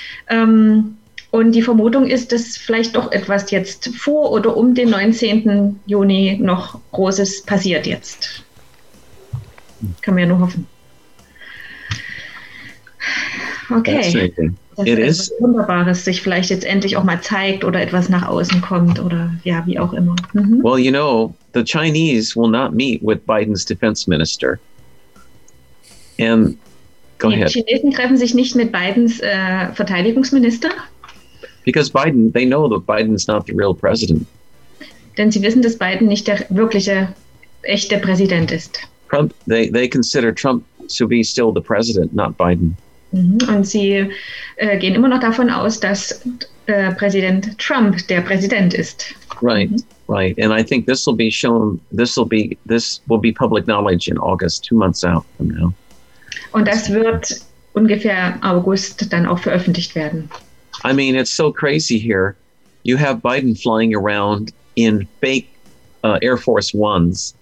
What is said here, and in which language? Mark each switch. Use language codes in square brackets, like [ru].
[de] Und die Vermutung ist, dass vielleicht doch etwas jetzt vor oder um den 19. Juni noch Großes passiert jetzt. Kann man ja nur hoffen. Okay. Das ist etwas Wunderbares, sich vielleicht jetzt endlich auch mal zeigt oder etwas nach außen kommt oder ja, wie auch immer. Mhm. [en] Well, you know, the Chinese will not meet with Biden's defense minister. [de] Die Chinesen treffen sich nicht mit Bidens Verteidigungsminister. [en] Because Biden, they know that Biden's not the real president. [de] Denn sie wissen, dass Biden nicht der wirkliche, echte Präsident ist. [en] Trump, they consider Trump to be still the president, not Biden. [de] Und sie gehen immer noch davon aus, dass Präsident Trump der Präsident ist. [en] Right, right. And I think this will be public knowledge in August, 2 months out from now. [de] Und das wird ungefähr August dann auch veröffentlicht werden. [en] I mean, it's so crazy here. You have Biden flying around in fake Air Force Ones.